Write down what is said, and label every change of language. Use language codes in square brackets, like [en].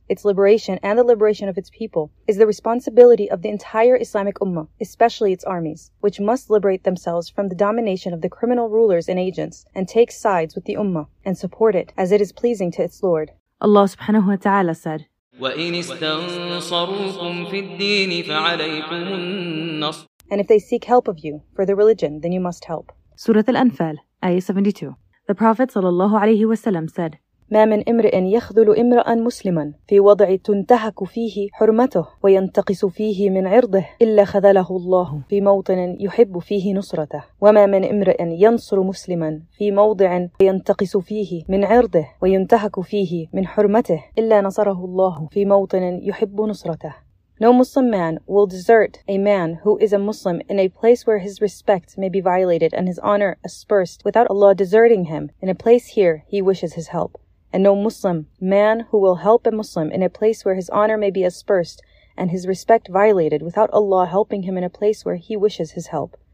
[en] Its liberation and the liberation of its people is the responsibility of the entire Islamic Ummah, especially its armies, which must liberate themselves from the domination of the criminal rulers and agents and take sides with the Ummah and support it as it is pleasing to its Lord. Allah subhanahu wa ta'ala said, And if they seek help of you for the religion, then you must help. Surah Al-Anfal, Ayah 72. The Prophet sallallahu alayhi wa sallam said, [ar] ما من امرئ يخذل امرأ مسلما في وضع تنتهك فيه حرمته وينتقص فيه من عرضه إلا خذله الله في موطن يحب فيه نصرته وما من امرئ ينصر مسلما في موضع ينتقص فيه من عرضه وينتهك فيه من حرمته إلا نصره الله في موطن يحب نصرته. [en] No Muslim man will desert a man who is a Muslim in a place where his respect may be violated and his honor aspersed without Allah deserting him in a place here he wishes his help. And no Muslim man who will help a Muslim in a place where his honor may be aspersed and his respect violated without Allah helping him in a place where he wishes his help.